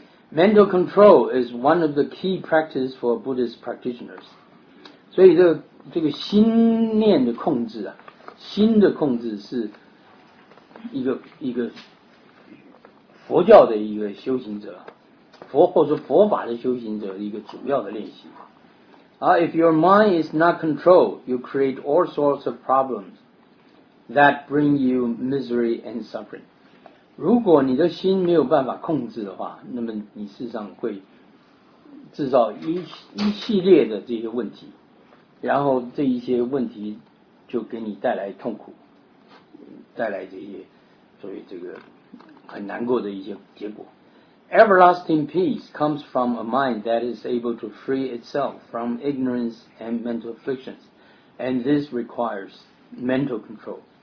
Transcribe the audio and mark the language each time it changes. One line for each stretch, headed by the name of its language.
English: Mental control is one of the key practices for Buddhist practitioners.
Chinese: 所以这个心念的控制啊，心的控制是一个佛佛教的一个修行者，佛或者佛法的修行者的一个主要的练习。
English: If your mind is not controlled, you create all sorts of problems that bring you misery and suffering.
Chinese: 如果你的心没有办法控制的话，那么你事实上会制造 一系列的这些问题，然后这一些问题就给你带来痛苦，带来这些所以这个很难过的一些结果。
English: Everlasting peace comes from a mind that is able to free itself from ignorance and mental afflictions, and this requires mental control.